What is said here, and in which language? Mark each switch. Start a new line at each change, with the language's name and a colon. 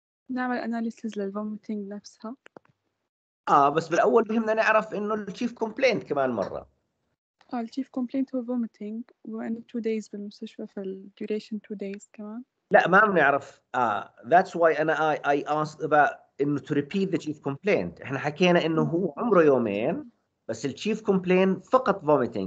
Arabic: نعمل analysis للvomiting نفسها. بس بالأول بهمنا نعرف إنه الشيف كومبلينت كمان مرة. الشيف كومبلينت هو vomiting وإنه 2 days بالمستشفى في duration 2 days كمان. لا ما بنعرف.
English: That's why
Arabic: أنا
English: I asked about
Arabic: إنه
English: to repeat the chief complaint.
Arabic: إحنا حكينا إنه هو عمره يومين بس the chief complaint فقط vomiting.